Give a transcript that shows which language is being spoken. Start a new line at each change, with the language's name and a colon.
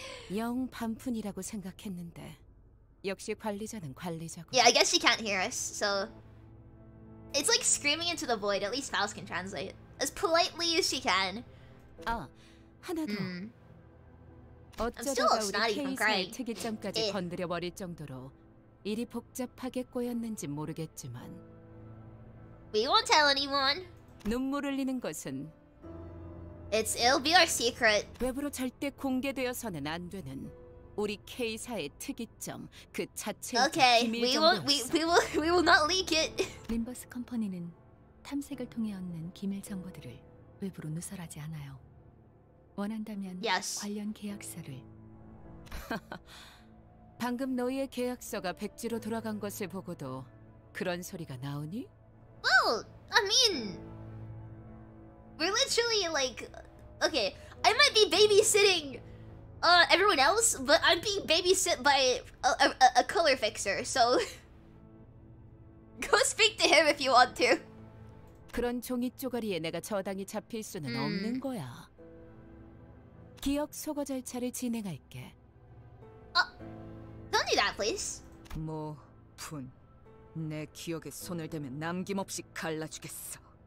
Korean: Young 반푼이라고 생각했는데 역시 관리자는 관리자고.
English: Yeah, I guess she can't hear us, so it's like screaming into the void. At least Faust can translate as politely as she can.
Korean: 아, 하나 더. 어쩌다가 우리 케이스의 특이점까지 건드려 버릴 정도로 일이 복잡하게 꼬였는지 모르겠지만.
English: We won't tell anyone.
Korean: 눈물 흘리는 것은.
English: It's, it'll be our secret.
Korean: 외부로 절대 공개되어서는 안 되는 우리 K사의 특이점 그 자체의
English: okay.
Korean: 비밀 정보.
English: Okay, we will not leak it.
Korean: 림버스 컴퍼니는 탐색을 통해 얻는 기밀 정보들을 외부로 누설하지 않아요. 원한다면
English: yes.
Korean: 관련 계약서를. 방금 너희의 계약서가 백지로 돌아간 것을 보고도 그런 소리가 나오니?
English: Well, I mean. We're literally like, okay, I might be babysitting everyone else, but I'm being babysit by a color fixer, so... Go speak to him if you want to.
Korean: 그런 종이 쪼가리에 내가 저당이 잡힐 수는 없는 거야. 기억 속어 절차를 진행할게. Don't do that, please. 뭐, 분. 내 기억에 손을 대면 남김없이 갈라주겠어.